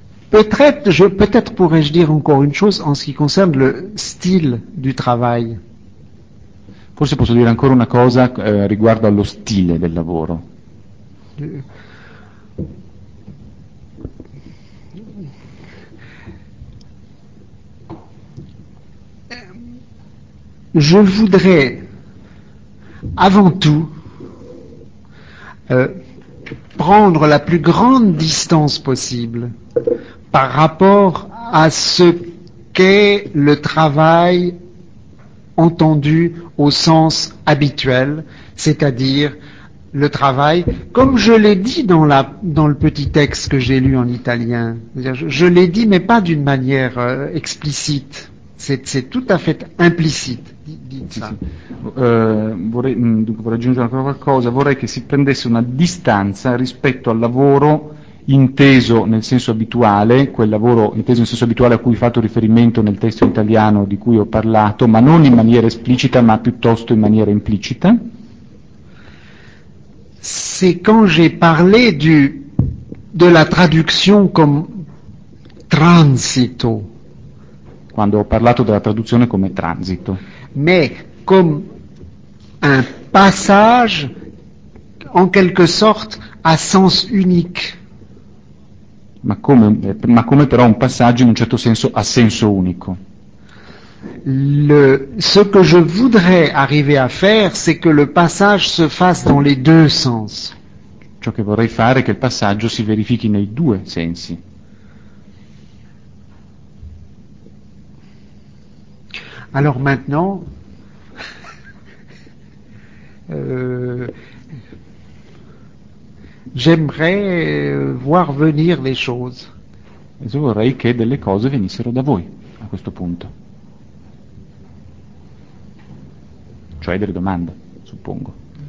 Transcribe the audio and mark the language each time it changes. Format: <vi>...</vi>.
<fr>Peut-être pourrais-je dire encore une chose en ce qui concerne le style du travail.</fr> <it>Forse posso dire ancora una cosa riguardo allo stile del lavoro.</it> <fr>Je voudrais avant tout prendre la plus grande distance possible par rapport à ce qu'est le travail entendu au sens habituel, c'est-à-dire le travail, comme je l'ai dit dans le petit texte que j'ai lu en italien, je l'ai dit mais pas d'une manière explicite, c'est tout à fait implicite.</fr> <it>Vorrei aggiungere ancora qualcosa, vorrei che si prendesse una distanza rispetto al lavoro inteso nel senso abituale, quel lavoro inteso nel senso abituale a cui ho fatto riferimento nel testo italiano di cui ho parlato, ma non in maniera esplicita, ma piuttosto in maniera implicita.</it> <fr>C'est quand j'ai parlé</fr> <it>della traduzione come transito. Quando ho parlato della traduzione come transito.</it> <fr>Mais comme un passage en quelque sorte à sens unique.</fr> <it>Ma come però un passaggio in un certo senso a senso unico.</it> <fr>Ce que je voudrais arriver à faire, c'est que le passage se fasse dans les deux sens.</fr> <it>Ciò che vorrei fare è che il passaggio si verifichi nei due sensi.</it> <fr>Alors maintenant, j'aimerais voir venir les choses.</fr> <it>Io vorrei che delle cose venissero da voi a questo punto. Cioè delle domande, suppongo.</it>